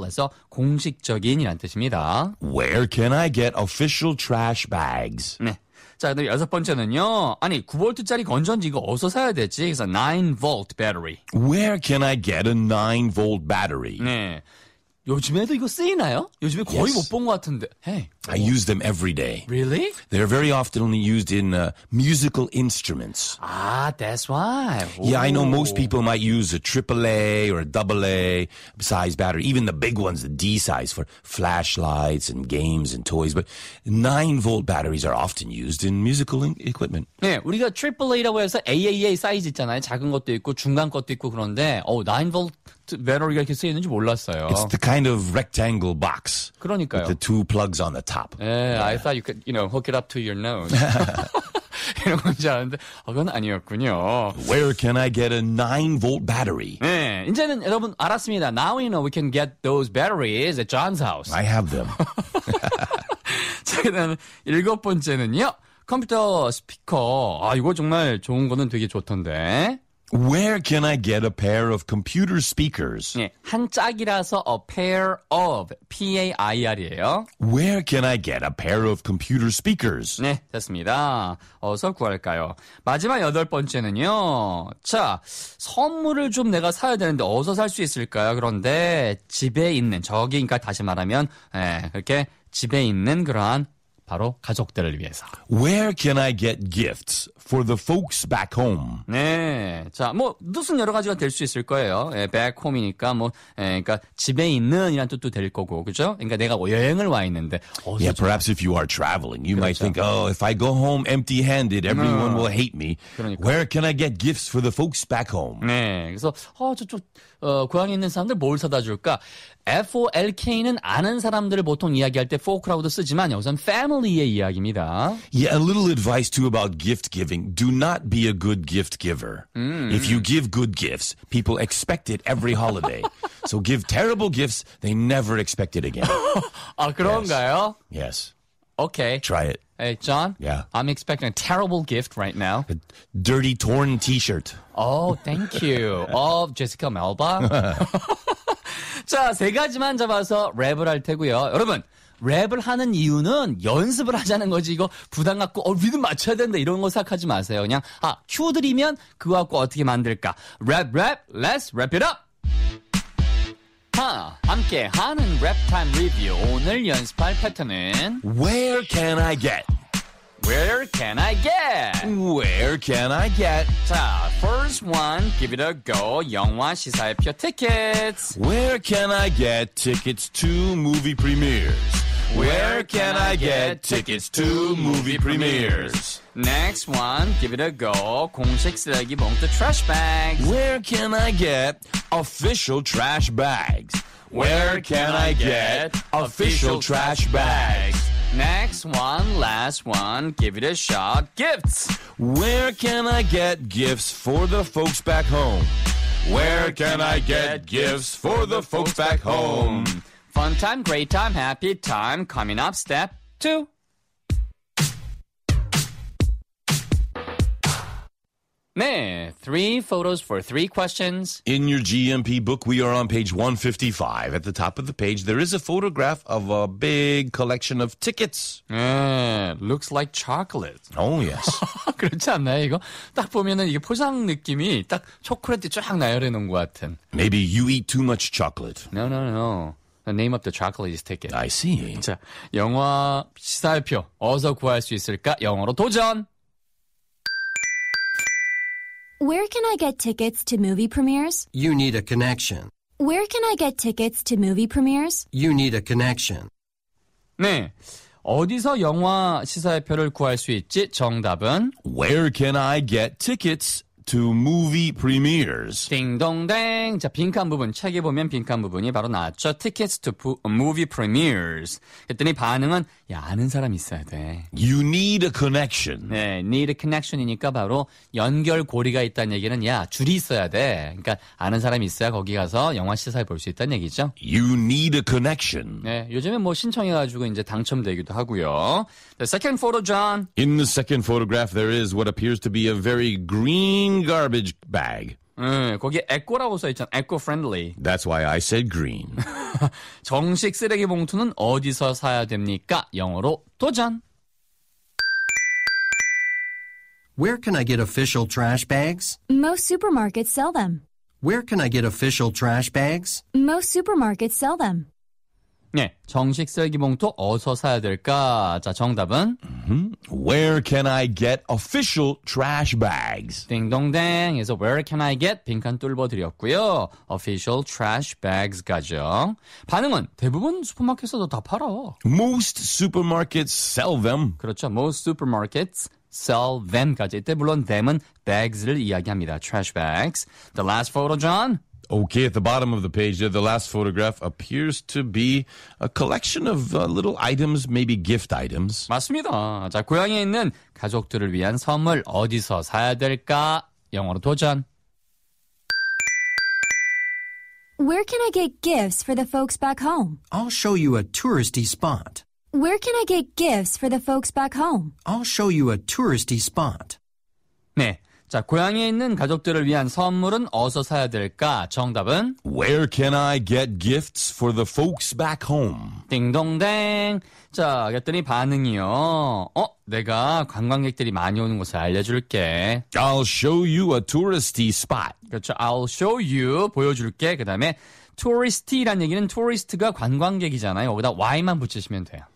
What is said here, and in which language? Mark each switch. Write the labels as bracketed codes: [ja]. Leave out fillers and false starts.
[ko] 그래서 공식적인이란 뜻입니다. [en] Where can I get official trash bags? [ko] 네. 자, 그 여섯 번째는요. 아니, 9V짜리 건전지 이거 어디서 사야 되지? 그래서 9V battery. [en] Where can I get a 9V battery? [ko] 네. 요즘에도 이거 쓰이나요? 요즘에 거의 못 본 것 같은데. [en] Hey. I use them every day. Really? They're very often only used in musical instruments. Ah, that's why. Ooh. Yeah, I know most people might use a AAA or a AA size battery, even the big ones, the D size, for flashlights and games and toys. But 9-volt batteries are often used in musical equipment. [ko] 네, 우리가 AAA라고 해서 AAA 사이즈 있잖아요. 작은 것도 있고 중간 것도 있고 그런데 9-volt battery가 이렇게 쓰이는지 몰랐어요. [en] It's the kind of rectangle box. [ko] 그러니까요. [en] With the two plugs on the top. Yeah, yeah. I thought you could, you know, hook it up to your nose. [ko] 이런 건지 아는데, 그건 아니었군요. [en] Where can I get a 9-volt battery? [ko] 네, 이제는 여러분 알았습니다. [en] Now you know we can get those batteries at John's house. I have them. [ko] 자, 그다음 일곱 번째는요. 컴퓨터 스피커. 아, 이거 정말 좋은 거는 되게 좋던데. [en] Where can I get a pair of computer speakers? [ko] 네, 한 짝이라서 [en] a pair of, [ko] P-A-I-R이에요. [en] Where can I get a pair of computer speakers? [ko] 네, 됐습니다. 어서 구할까요? 마지막 여덟 번째는요. 자, 선물을 좀 내가 사야 되는데 어디서 살 수 있을까요? 그런데 집에 있는, 저기, 그러니까 다시 말하면 네, 그렇게 집에 있는 그러한 바로 가족들을 위해서. [en] Where can I get gifts for the folks back home? [ko] 네. 자, 뭐 뜻은 여러 가지가 될 수 있을 거예요. 예, [en] back home [ko] 이니까 뭐 예, 그러니까 집에 있는이란 뜻도 될 거고. 그렇죠? 그러니까 내가 여행을 와 있는데. [en] Yeah, perhaps if you are traveling, you [ko] 그렇죠. [en] might think, "Oh, if I go home empty-handed, everyone will hate me." [ko] 그러니까. [en] Where can I get gifts for the folks back home? [ko] 네. 그래서 고향에 있는 사람들 뭘 사다 줄까? F-O-L-K는 아는 사람들을 보통 이야기할 때 folk라고도 쓰지만 여기서는 family의 이야기입니다. [en] Yeah, a little advice too about gift giving. Do not be a good gift giver. If you give good gifts, people expect it every holiday. So give terrible gifts, they never expect it again. [ko] 아, 그런가요? [en] Yes. Okay. Try it. Hey, John? Yeah. I'm expecting a terrible gift right now. A dirty, torn t-shirt. Oh, thank you. Oh, Jessica Melba? [ko] 자, 세 가지만 잡아서 랩을 할 테고요. 여러분, 랩을 하는 이유는 연습을 하자는 거지. 이거 부담 갖고 리듬 맞춰야 된다 이런 거 생각하지 마세요. 그냥 아, 큐 드리면 그거 갖고 어떻게 만들까? [en] 랩, 랩, let's wrap it up! [ko] 함께 하는 랩 타임 리뷰. 오늘 연습할 패턴은 [en] Where can I get? Where can I get? Where can I get? 자, first one, give it a go. [ko] 영화 시사회 표 tickets. [en] Where can I get tickets to movie premieres? Where can I get tickets to movie premieres? Next one, give it a go. [ko] 공식 쓰레기 봉투 trash bags. [en] Where can I get official trash bags? Where can I get official trash bags? Next one, last one, give it a shot, gifts. Where can I get gifts for the folks back home? Where can I get gifts for the folks back home? Fun time, great time, happy time, coming up, step two. 네, three photos for three questions. In your GMP book, we are on page 155. At the top of the page, there is a photograph of a big collection of tickets. 네, looks like chocolate. Oh, yes. [ko] 그렇지 않나요, 이거? 딱 보면은 이게 포장 느낌이 딱 초콜릿이 쫙 나열해 놓은 것 같은. [en] Maybe you eat too much chocolate. No, no, no. The name of the chocolate is ticket. I see. [ko] 자, 영화 시사회표 어디서 구할 수 있을까? 영어로 도전! [en] Where can I get tickets to movie premieres? You need a connection. Where can I get tickets to movie premieres? You need a connection. [ko] 네, 어디서 영화 시사회 표를 구할 수 있지? 정답은 [en] Where can I get tickets to movie premieres? [ko] 딩동댕. 자, 빈칸 부분, 책에 보면 빈칸 부분이 바로 나왔죠. [en] Tickets to movie premieres. [ko] 그랬더니 반응은 야, 아는 사람 있어야 돼. [en] You need a connection. [ko] 네, [en] need a connection [ko] 이니까 바로 연결고리가 있다는 얘기는 야, 줄이 있어야 돼. 그러니까 아는 사람이 있어야 거기 가서 영화 시사회 볼 수 있다는 얘기죠. [en] You need a connection. [ko] 네, 요즘에 뭐 신청해가지고 이제 당첨되기도 하고요. [en] The second photo, John. In the second photograph, there is what appears to be a very green garbage bag. [ko] 거기 에코라고 써있잖아. [en] Eco-friendly. That's why I said green. [ko] 정식 쓰레기 봉투는 어디서 사야 됩니까? 영어로 도전! [en] Where can I get official trash bags? Most supermarkets sell them. Where can I get official trash bags? Most supermarkets sell them. [ko] 네, 정식 쓰레기 봉투 어디서 사야 될까? 자, 정답은 [en] Where can I get official trash bags? [ko] 딩동댕. 그래서 [en] Where can I get? [ko] 빈칸 뚫어 드렸고요. [en] Official trash bags [ko] 가죠. 반응은 대부분 슈퍼마켓에서도 다 팔아. [en] Most supermarkets sell them. [ko] 그렇죠. [en] Most supermarkets sell them [ko] 가지. 이때 물론 them은 bags를 이야기합니다. [en] Trash bags. The last photo, John. Okay, at the bottom of the page, the last photograph appears to be a collection of little items, maybe gift items. [ko] 맞습니다. 자, 고향에 있는 가족들을 위한 선물 어디서 사야 될까? 영어로 도전. [en] Where can I get gifts for the folks back home? I'll show you a touristy spot. Where can I get gifts for the folks back home? I'll show you a touristy spot. [ko] 네. 자, 고향에 있는 가족들을 위한 선물은 어디서 사야 될까? 정답은 [en] Where can I get gifts for the folks back home? [ko] 딩동댕. 자, 그랬더니 반응이요. 내가 관광객들이 많이 오는 곳을 알려줄게. [en] I'll show you a touristy spot. [ko] 그렇죠. [en] I'll show you, [ko] 보여줄게. 그 다음에 touristy란 얘기는 tourist가 관광객이잖아요. 거기다 y만 붙이시면 돼요.